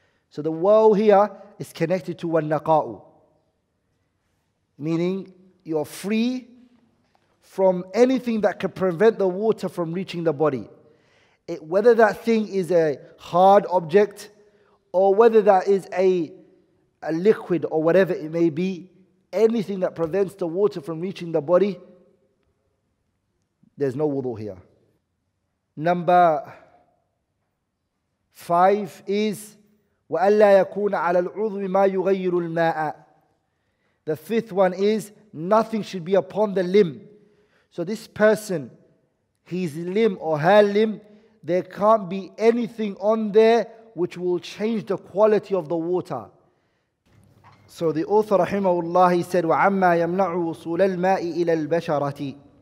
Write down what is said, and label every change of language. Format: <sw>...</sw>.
<en>So the waw here is connected to wanaqa'u, meaning you're free from anything that could prevent the water from reaching the body. Whether that thing is a hard object or whether that is a liquid or whatever it may be, anything that prevents the water from reaching the body, there's no wudu here. Number five is,</en> <ar>وَأَلَّا يَكُونَ عَلَى الْعُضْوِ مَا يُغَيِّرُ الْمَاءَ.</ar> <en>The fifth one is, nothing should be upon the limb. So this person, his limb or her limb, there can't be anything on there which will change the quality of the water. So the author, rahimahullah, he said,</en> <ar>وَعَمَّا يَمْنَعُ وُصُولَ الْمَاءِ إِلَى الْبَشَرَةِ.</ar>